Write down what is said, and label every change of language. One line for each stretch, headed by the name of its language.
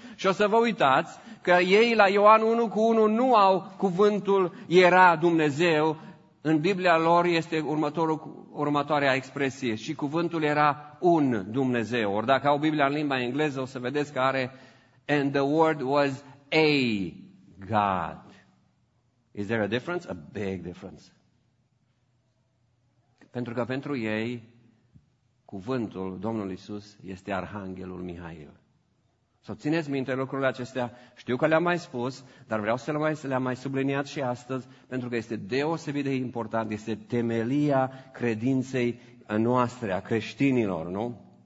Romanian: Și o să vă uitați că ei la Ioan 1:1 nu au cuvântul era Dumnezeu. În Biblia lor este următoarea expresie. Și cuvântul era un Dumnezeu. Ori dacă au Biblia în limba engleză, o să vedeți că are
English: and the word was a God. Is there a difference? A big difference.
Romanian: Pentru că pentru ei, cuvântul Domnului Iisus este Arhanghelul Mihail. Să țineți minte lucrurile acestea, știu că le-am mai spus, dar vreau să le-am mai subliniat și astăzi, pentru că este deosebit de important, este temelia credinței noastre, a creștinilor, nu?